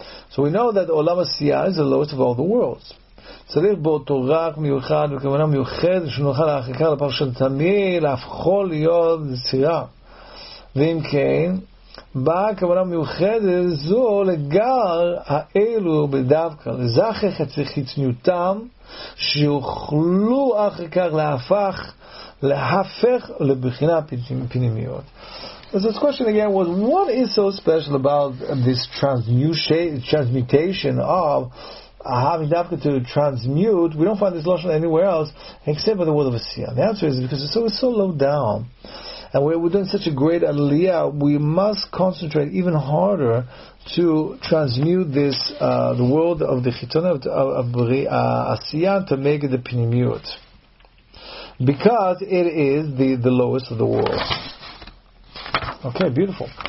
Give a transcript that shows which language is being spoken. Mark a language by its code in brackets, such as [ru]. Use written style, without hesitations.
[en] So we know that Olam Asiya is the lowest of all the worlds. [he] צריך באותו רק מיוחד וכוונה מיוחד שנוכל להחיקה לפרשת תמיד להפכו להיות יצירה. ואם כן, באה כוונה מיוחדת זו לגר האלו בדווקא לזכך את חיצוניותם שיוכלו אחר כך להפך לבחינה פנימיות. [en] So this question again was, what is so special about this transmutation of having dafka to transmute? We don't find this lashon anywhere else except by the word of Asiya. The answer is because it's so low down, and we're doing such a great aliyah, we must concentrate even harder to transmute this the world of the chiton of Asiya to make it the pinimut, because it is the lowest of the world. Okay, beautiful.